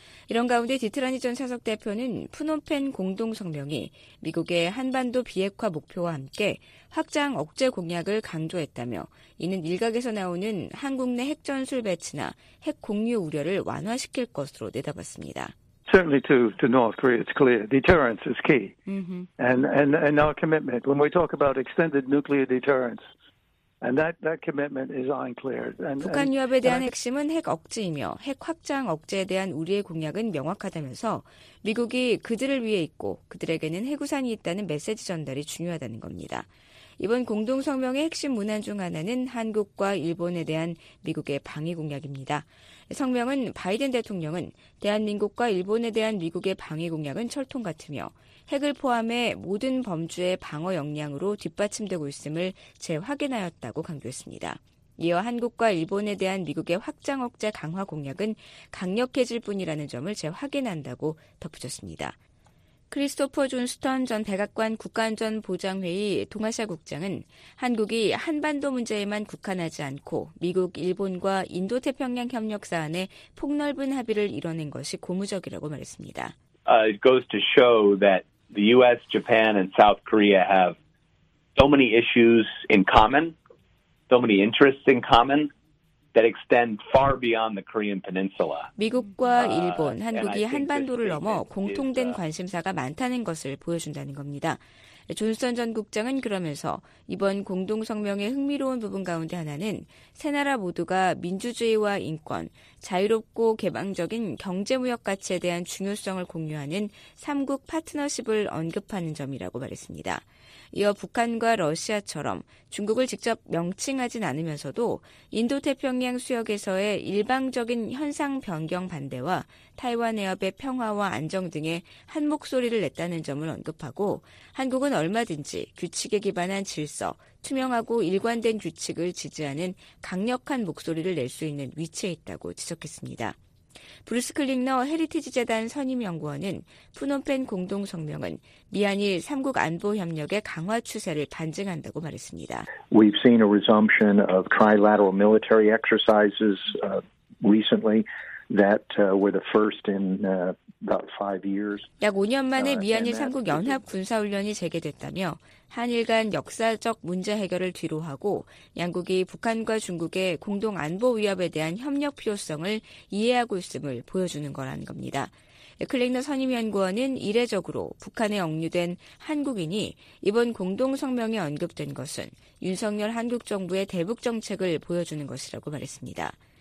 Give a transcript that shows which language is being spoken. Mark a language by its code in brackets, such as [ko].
[ko] 이런 가운데 디트라니 전 차석 대표는 프놈펜 공동성명이 미국의 한반도 비핵화 목표와 함께 확장 억제 공약을 강조했다며 이는 일각에서 나오는 한국 내 핵전술 배치나 핵 공유 우려를 완화시킬 것으로 내다봤습니다. [en] Certainly, to North Korea, it's clear deterrence is key, and our commitment when we talk about extended nuclear deterrence, and that commitment is unclear. [ko] 북한 위협에 대한 핵심은 핵 억제이며 핵 확장 억제에 대한 우리의 공약은 명확하다면서 미국이 그들을 위해 있고 그들에게는 핵우산이 있다는 메시지 전달이 중요하다는 겁니다. 이번 공동성명의 핵심 문안 중 하나는 한국과 일본에 대한 미국의 방위 공약입니다. 성명은 바이든 대통령은 대한민국과 일본에 대한 미국의 방위 공약은 철통 같으며 핵을 포함해 모든 범주의 방어 역량으로 뒷받침되고 있음을 재확인하였다고 강조했습니다. 이어 한국과 일본에 대한 미국의 확장 억제 강화 공약은 강력해질 뿐이라는 점을 재확인한다고 덧붙였습니다. 크리스토퍼 존스턴 전 백악관 국가안전보장회의 동아시아 국장은 한국이 한반도 문제에만 국한하지 않고 미국, 일본과 인도태평양 협력 사안에 폭넓은 합의를 이뤄낸 것이 고무적이라고 말했습니다. [en] It goes to show that the U.S., Japan, and South Korea have so many issues in common, so many interests in common. That extend far beyond the Korean Peninsula. [ko] 미국과 일본, 한국이 한반도를 넘어 공통된 관심사가 많다는 것을 보여준다는 겁니다. 존슨 전 국장은 그러면서 이번 공동성명의 흥미로운 부분 가운데 하나는 세 나라 모두가 민주주의와 인권, 자유롭고 개방적인 경제무역 가치에 대한 중요성을 공유하는 3국 파트너십을 언급하는 점이라고 말했습니다. 이어 북한과 러시아처럼 중국을 직접 명칭하진 않으면서도 인도태평양 수역에서의 일방적인 현상 변경 반대와 타이완 해협의 평화와 안정 등의 한 목소리를 냈다는 점을 언급하고 한국은 얼마든지 규칙에 기반한 질서, 투명하고 일관된 규칙을 지지하는 강력한 목소리를 낼 수 있는 위치에 있다고 지적했습니다. 브루스 클링너 헤리티지 재단 선임연구원은 프놈펜 공동성명은 미한일 3국 안보협력의 강화 추세를 반증한다고 말했습니다. [en] We've seen a resumption of trilateral military exercises recently that were the first in about 5 years. [ko] 약 5년 만에 미한일 3국 연합 군사 훈련이 재개됐다며 한일 간 역사적 문제 해결을 뒤로하고 양국이 북한과 중국의 공동 안보 위협에 대한 협력 필요성을 이해하고 있음을 보여주는 거라는 겁니다. 클릭너 선임연구원은 이례적으로 북한에 억류된 한국인이 이번 공동성명에 언급된 것은 윤석열 한국 정부의 대북 정책을 보여주는 것이라고 말했습니다.